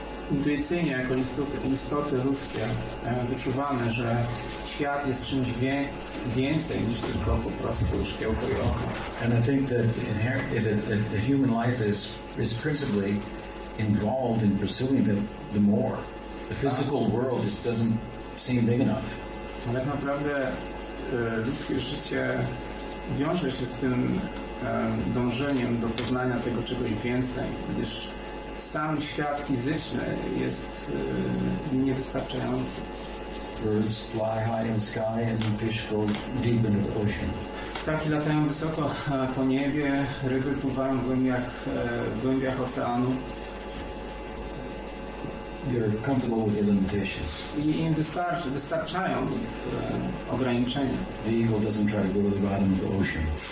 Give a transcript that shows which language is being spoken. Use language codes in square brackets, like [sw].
[pl] Intuicyjnie, jako istoty ludzkie, wyczuwamy, że świat jest czymś więcej niż tylko po prostu szkiełko i oko. [en] And I think that the human life is principally involved in pursuing the more. The physical world just doesn't seem big enough. [pl] Tak naprawdę ludzkie życie wiąże się z tym dążeniem do poznania tego czegoś więcej, gdyż sam świat fizyczny jest niewystarczający. [en] Birds fly high in the sky and fish go deep into the ocean. [pl] Ptaki latają wysoko po niebie, ryby pływają w głębiach oceanu. [en] You're comfortable with your limitations. [pl] Wystarczają ich ograniczenia. [en] The ego doesn't try to go to the bottom of the ocean.